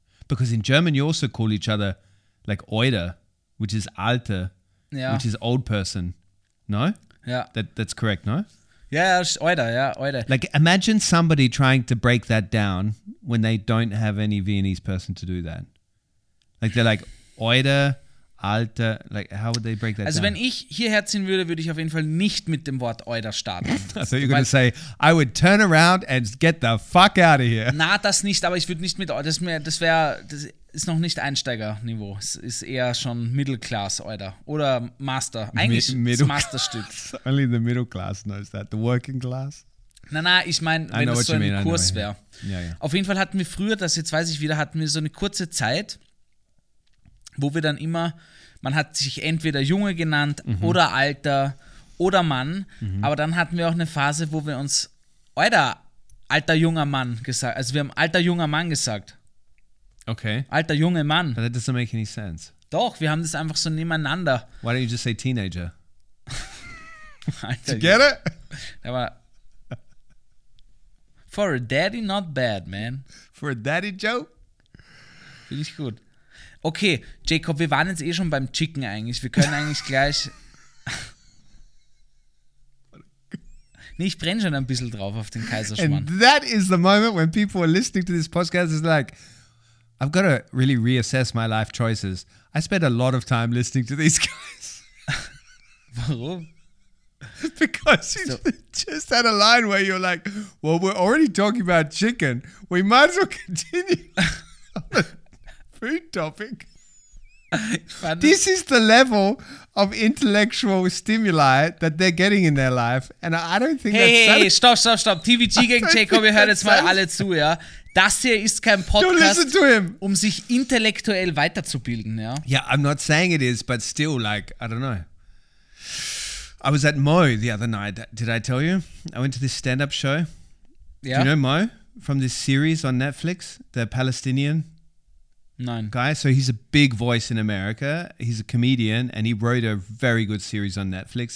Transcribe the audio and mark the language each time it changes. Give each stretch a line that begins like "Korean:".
English: Because in German, you also call each other like Oida, which is Alte,
German: ja,
English: which is old person. No? Yeah. That's correct, no? Yeah, Oida, yeah, Oida. Like imagine somebody trying to break that down when they don't have any Viennese person to do that. Like they're like Oida. Alter, like, how would they break that
German: also
English: down?
German: Wenn ich hierher ziehen würde, würde ich auf jeden Fall nicht mit dem Wort Euder starten.
English: So you're gonna say, I would turn around and get the fuck out of here.
German: Na, das nicht, aber ich würde nicht mit Euder, das ist noch nicht Einsteigerniveau. Es ist eher schon Middle Class Euder oder Master. Eigentlich das Masterstück.
English: Only the middle class knows that, the working class.
German: Na, ich meine, wenn das so ein Kurs wäre.
English: Yeah, yeah.
German: Auf jeden Fall hatten wir früher, das jetzt weiß ich wieder, hatten wir so eine kurze Zeit, wo wir dann immer, man hat sich entweder Junge genannt oder Alter oder Mann. Mhm. Aber dann hatten wir auch eine Phase, wo wir uns Euder alter junger Mann gesagt. Also wir haben alter junger Mann gesagt.
English: Okay.
German: Alter junger Mann.
English: But that doesn't make any sense.
German: Doch, wir haben das einfach so nebeneinander.
English: Why don't you just say teenager? Alter, you get it? Aber for a daddy, not bad, man. For a daddy joke?
German: Finde ich gut. Okay, Jacob, wir waren jetzt eh schon beim Chicken eigentlich. Wir können eigentlich gleich... Nee, ich brenne schon ein bisschen drauf auf den Kaiserschmarrn.
English: And that is the moment when people are listening to this podcast. It's like, I've got to really reassess my life choices. I spend a lot of time listening to these guys. Warum? Because you just had a line where you're like, well, we're already talking about chicken. We might as well continue on the food topic. This is the level of intellectual stimuli that they're getting in their life. And I don't think Hey, stop.
German: TVG gegen Jacob, ihr hört jetzt mal alle zu, ja. Das hier ist kein Podcast, um sich intellektuell weiterzubilden, ja.
English: Yeah, I'm not saying it is, but still, like, I don't know. I was at Mo the other night. Did I tell you? I went to this stand-up show. Yeah. Do you know Mo from this series on Netflix, the Palestinian guy? So he's a big voice in America. He's a comedian and he wrote a very good series on Netflix.